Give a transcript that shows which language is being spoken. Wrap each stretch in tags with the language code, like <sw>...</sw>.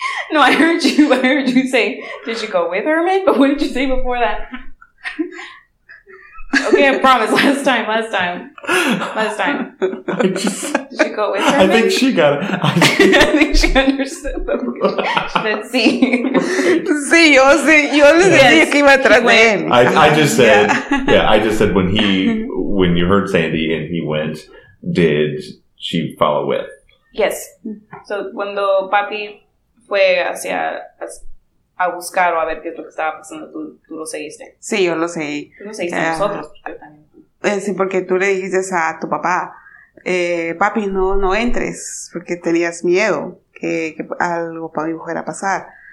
<en>No, I heard you say, did you go with Herman? But what did you say before that? Okay, I promise. Last time. Did she go with her? I think she got it. I think she understood the word. She said,</en> <es>sí. Sí, yo le decía que iba atrás de él.</es> <en>I just said when you heard Sandy and he went, did she follow with? Yes.</en> <es>So, cuando papi fue a buscar o a ver qué es lo que estaba pasando, tú lo seguiste. Sí, yo lo seguí. Tú lo seguiste a nosotros. Yo también. Sí, porque tú le dijiste a tu papá, papi, no entres, porque tenías miedo que algo para mi mujer a pasar.</es>